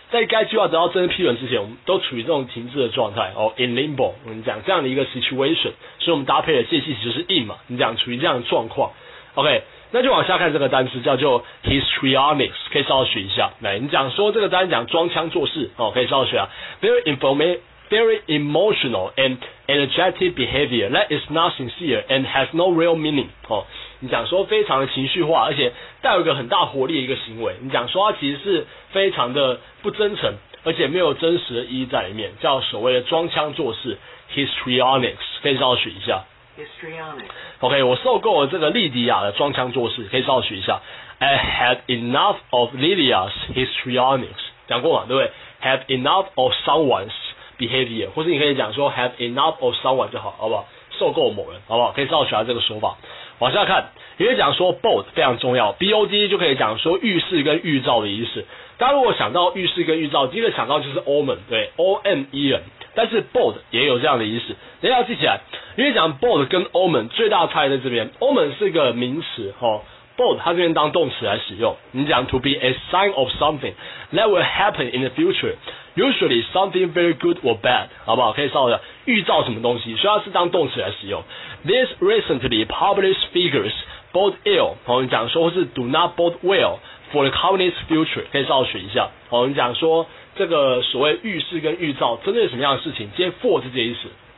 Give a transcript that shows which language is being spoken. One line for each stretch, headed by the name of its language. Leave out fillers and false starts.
Chinese: 在该计划得到正式批准之前，我们都处于这种停滞的状态。哦 ，in limbo， 我们讲这样的一个 situation， 所以我们搭配的介系词就是 in 嘛，你讲处于这样的状况。OK。那就往下看这个单词叫做 histrionics， 可以稍微学一下。来，你讲说这个单词讲装腔作势，哦，可以稍微学啊。
English: Very emotional and energetic behavior that is not sincere and has no real meaning。
Chinese: 哦，你讲说非常的情绪化，而且带有一个很大活力的一个行为。你讲说它其实是非常的不真诚，而且没有真实的意义在里面，叫所谓的装腔作势 histrionics， 可以稍微学一下。 OK， 我受够了这个莉迪亚的装腔作势，可以稍微学一下。
English: I had enough of Lydia's histrionics，
Chinese: 讲过嘛，对不对
English: ？Have enough of someone's behavior，
Chinese: 或是你可以讲说
English: have enough of someone
Chinese: 就好，好不好？受够某人，好不好？可以稍微学一下这个说法。往下看，也可以讲说 bold 非常重要 ，bold 就可以讲说预示跟预兆的意思。大家如果想到预示跟预兆，第一个想到就是 omen， 对 ，omen。但是 bold 也有这样的意思，大家要记起来。因为讲 bold 跟 omen 最大的差异在这边 ，omen 是个名词，哦 ，bold 它这边当动词来使用。
English: 你讲 to be a sign of something that will happen in the future， usually something very good or bad，
Chinese: 好不好？可以稍微预兆什么东西，所以它是当动词来使用。
English: These recently published figures bode ill，
Chinese: 哦，你讲说或是
English: do not bode well for the company's future，
Chinese: 可以稍微学一下。哦，你讲说这个所谓预示跟预兆针对什么样的事情，接 for 这些意思。